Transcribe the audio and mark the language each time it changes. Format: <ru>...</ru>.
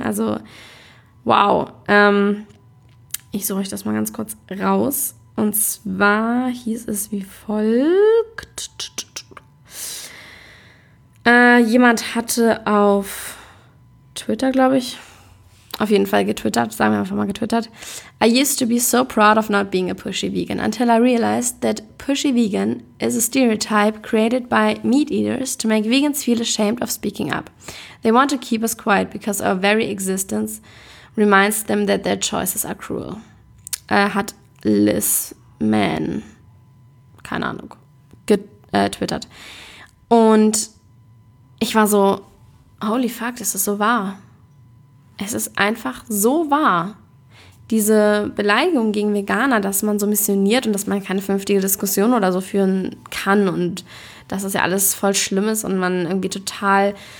<de>Also, wow. Ich suche euch das mal ganz kurz raus. Und zwar hieß es wie folgt. Jemand hatte auf Twitter, glaube ich, auf jeden Fall getwittert, sagen wir einfach mal getwittert.</de> <en>I used to be so proud of not being a pushy vegan until I realized that pushy vegan is a stereotype created by meat eaters to make vegans feel ashamed of speaking up. They want to keep us quiet because our very existence reminds them that their choices are cruel.</en> <de>Hat Liz Mann, keine Ahnung, getwittert. Und ich war so,</de> <en>holy fuck,</en> <de>das ist so wahr. Es ist einfach so wahr, diese Beleidigung gegen Veganer, dass man so missioniert und dass man keine vernünftige Diskussion oder so führen kann und dass das ja alles voll schlimm ist und man irgendwie total,</de>